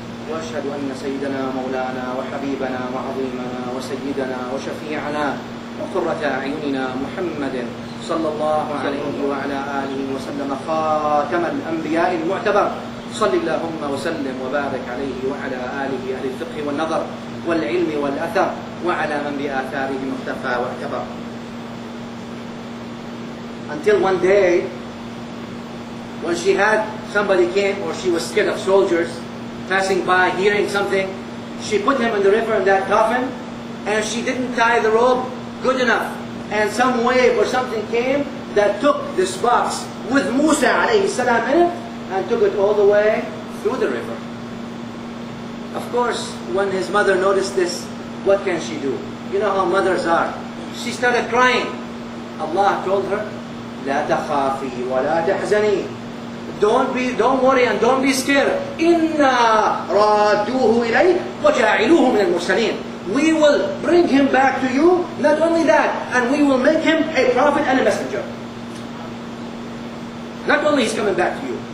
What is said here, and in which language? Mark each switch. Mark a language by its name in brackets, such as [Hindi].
[Arabic] وأشهد أن سيدنا مولانا وحبيبنا وعظيمنا وسيدنا وشفيعنا وقرة أعيننا محمد صلى الله عليه وعلى آله وسلم خاتم الأنبياء المعتبر صل اللهم وسلم وبارك عليه وعلى آله أهل الفقه والنظر والعلم والأثر وعلى من بآثاره اقتفى واعتبر. [English] Until one day, when she had somebody came, or she was scared of soldiers passing by, hearing something, she put him in the river in that coffin, and she didn't tie the rope good enough. And some wave or something came that took this box with Musa alayhi salam in it, and took it all the way through the river. Of course, when his mother noticed this, what can she do? You know how mothers are. She started crying. [Arabic] Allah told her, لا تخافي ولا تحزني. [English] Don't worry and don't be scared. [Arabic] إِنَّا رَادُّوهُ إِلَيْهِ وَجَاعِلُوهُ مِنَ الْمُرْسَلِينَ. [English] We will bring him back to you. Not only that, and we will make him a prophet and a messenger. Not only he's coming back to you.